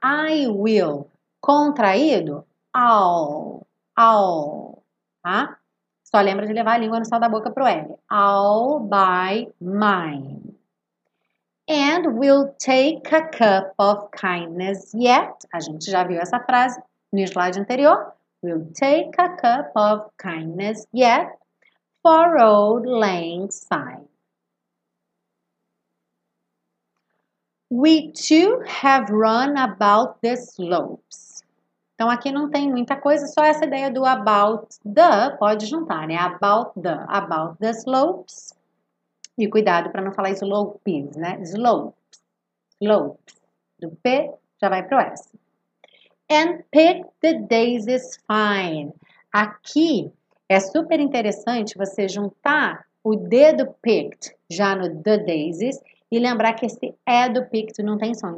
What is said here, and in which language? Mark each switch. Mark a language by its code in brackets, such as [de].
[en] I will. [pt] Contraído, I'll, tá? Só lembra de levar a língua no céu da boca pro L. [en] I'll buy mine. And we'll take a cup of kindness yet. [pt] A gente já viu essa frase no slide anterior. [en] We'll take a cup of kindness yet for old lang syne. We too have run about the slopes. [pt] Então, aqui não tem muita coisa, só essa ideia do about the, pode juntar, né? [en] About the slopes. [pt] E cuidado para não falar slow pis, né? [en] Slow. Slow. [pt] Do P já vai para o S. [en] And pick the days is fine. [pt] Aqui é super interessante você juntar o D do picked já no the daisies e lembrar que esse E do picked não tem som.